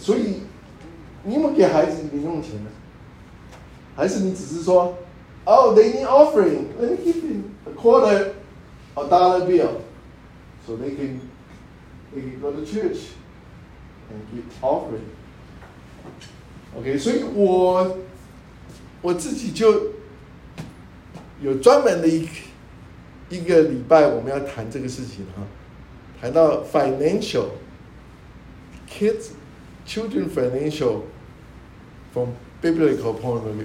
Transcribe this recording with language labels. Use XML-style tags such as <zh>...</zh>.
<zh>所以你有没有给孩子零用钱呢？还是你只是说</zh> <en>，Oh, they need offering. Let me give them a quarter, a dollar bill, so they can go to church and give offering.</en> <zh>Okay, 所以我自己就有专门的一个礼拜我们要谈这个事情哈，谈到</zh> <en>financial kids children financial from biblical point of view。</en>